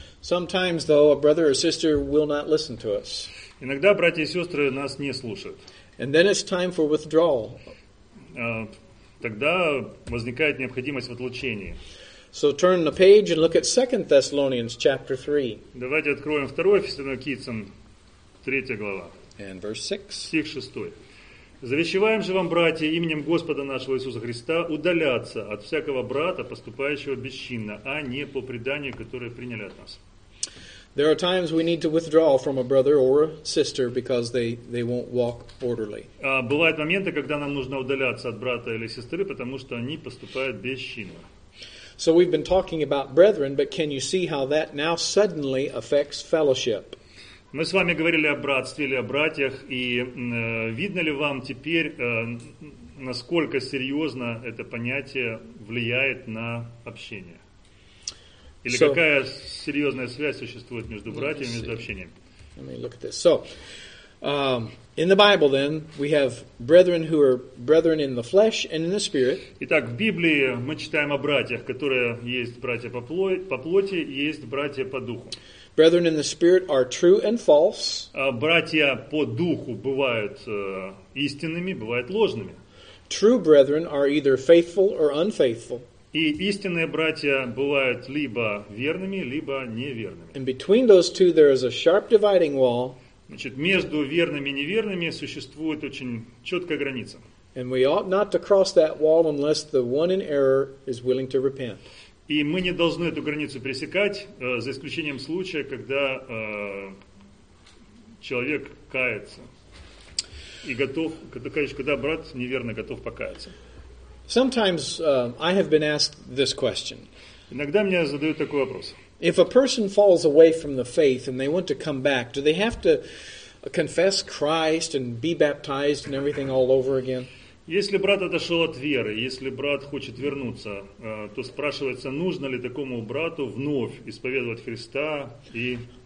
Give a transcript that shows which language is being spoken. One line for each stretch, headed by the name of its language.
English: Sometimes, though, a brother or sister will not listen to us.
Russian: Иногда братья и сестры нас не слушают.
English: And then it's time for withdrawal.
Russian: Тогда возникает необходимость в отлучении.
English: So turn the page and look at 2 Thessalonians chapter 3.
Russian: Давайте откроем 2 Фессалоникийцам, 3 глава.
English: And verse 6.
Russian: Стих 6. Завещеваем же вам, братья, именем Господа нашего Иисуса Христа, удаляться от всякого брата, поступающего бесчинно, а не по преданию, которое приняли от нас.
English: There are times we need to withdraw from a brother or a sister because they won't walk orderly.
Russian: Бывают моменты, когда нам нужно удаляться от брата или сестры, потому что они поступают бесчинно.
English: So we've been talking about brethren, but can you see how that now suddenly affects fellowship?
Russian: Мы с вами говорили о братстве или о братьях, и видно ли вам теперь, насколько серьезно это понятие влияет на общение? Или какая серьезная связь существует между братьями, между общением?
English: Let me look at this. So, in the Bible, then, we have brethren who are brethren in the flesh and in the spirit.
Russian: Итак, в Библии мы читаем о братьях, которые есть братья по плоти, есть братья по духу.
English: Brethren in the spirit are true and false.
Russian: Братья по духу бывают истинными, бывают ложными.
English: True brethren are either faithful or unfaithful.
Russian: И истинные братья бывают либо верными, либо неверными.
English: And between those two there is a sharp dividing wall.
Russian: Значит, между верными и неверными существует очень четкая граница.
English: And we ought not to cross that wall unless the one in error is willing to repent.
Russian: И мы не должны эту границу пересекать, за исключением случая, когда человек кается и готов, когда брат неверно готов покаяться.
English: Sometimes I have been asked this question.
Russian: Иногда мне задают такой вопрос.
English: If a person falls away from the faith and they want to come back, do they have to confess Christ and be baptized and everything all over again?
Russian: Если брат отошел от веры, если брат хочет вернуться, то спрашивается, нужно ли такому брату вновь исповедовать Христа и